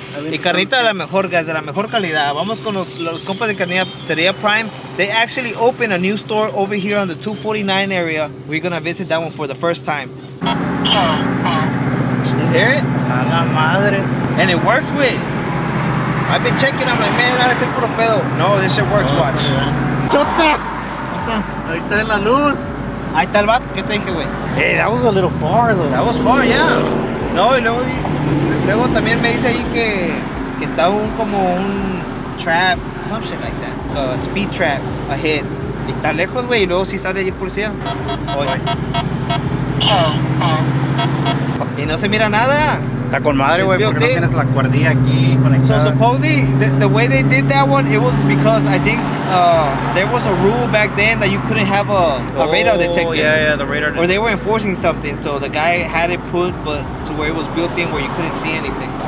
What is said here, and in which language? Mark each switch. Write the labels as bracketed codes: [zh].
[es] Y carnita de la mejor, guys, de la mejor calidad. Vamos con los compas de Carniceria Prime. [en] They actually opened a new store over here on the 249 area. We're gonna visit that one for the first time. You hear it? [es] A la madre. [en] And it works with. I've been checking, I'm like, man, that is [es] puro pedo. [en] No, this shit works, watch. [es] Chota! Ahí está la luz. Ahí está el vato, ¿qué te dije, güey? [en] Hey, that was a little far, though. That was far, yeah. [es] No, y luego también me dice ahí que está un como un trap, [en] some shit like that. A speed trap, a hit. [es] Y está lejos, güey, y luego sí sale allí el policía. Oye. Y no se mira nada. Está con madre, güey, porque no tienes la cuerdilla aquí conectada. [en] So supposedly, the way they did that one, it was because I think there was a rule back then that you couldn't have a radar detector. Yeah, yeah, the radar detector. Or they were enforcing something, so the guy had it put, but to where it was built in where you couldn't see anything.